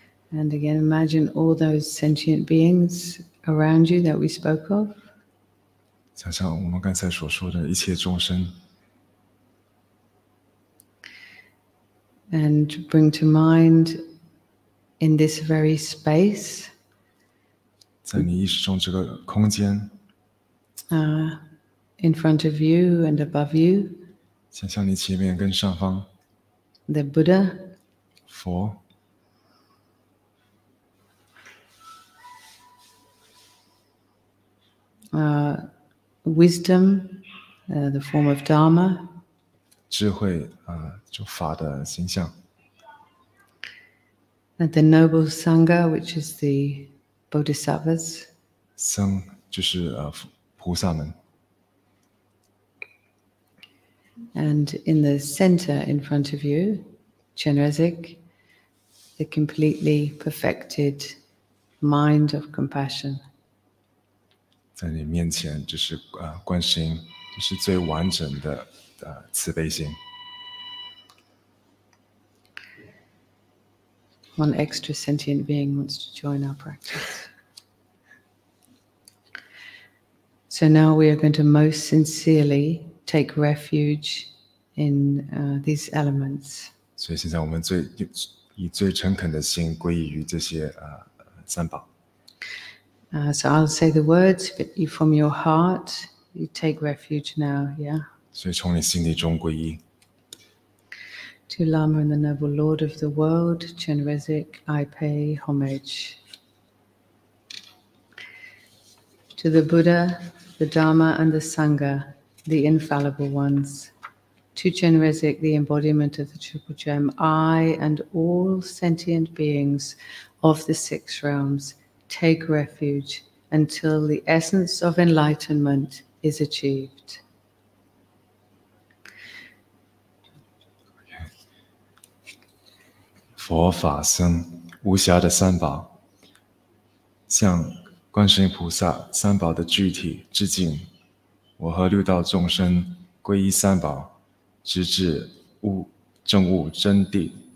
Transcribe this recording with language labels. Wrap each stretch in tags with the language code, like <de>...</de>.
<en>And again, imagine all those sentient beings around you that we spoke of.</en> <zh>想象我们刚才所说的一切众生。</zh> <en>And bring to mind in this very space.</en> <zh>在你意识中这个空间。</zh> <en>In front of you and above you.</en> <zh>想象你前面跟上方。</zh> <en>The Buddha.</en> <zh>佛。</zh> <en>Wisdom, the form of Dharma.</en> <zh>智慧，就法的形象。</zh> <en>And the Noble Sangha, which is the Bodhisattvas.</en> <zh>僧就是菩萨们。</zh> <en>And in the center, in front of you, Chenrezig, the completely perfected mind of compassion.</en> <zh>在你面前，就是观世音，就是最完整的慈悲心。</zh> <en>One extra sentient being wants to join our practice. So now we are going to most sincerely take refuge in these elements.</en> <zh>所以现在我们以最诚恳的心皈依于这些三宝。</zh> <en>So I'll say the words, but you from your heart, you take refuge now, yeah?</en> <zh>所以从你心里中皈依。</zh> <en>To Lama and the Noble Lord of the World, Chenrezig, I pay homage. To the Buddha, the Dharma and the Sangha, the infallible ones. To Chenrezig, the embodiment of the Triple Gem, I and all sentient beings of the six realms take refuge until the essence of enlightenment is achieved.</en> <zh>Okay. 佛法僧无暇的三宝向观世音菩萨三宝的具体致敬，我和六道众生皈依三宝，直至证悟真谛。</zh>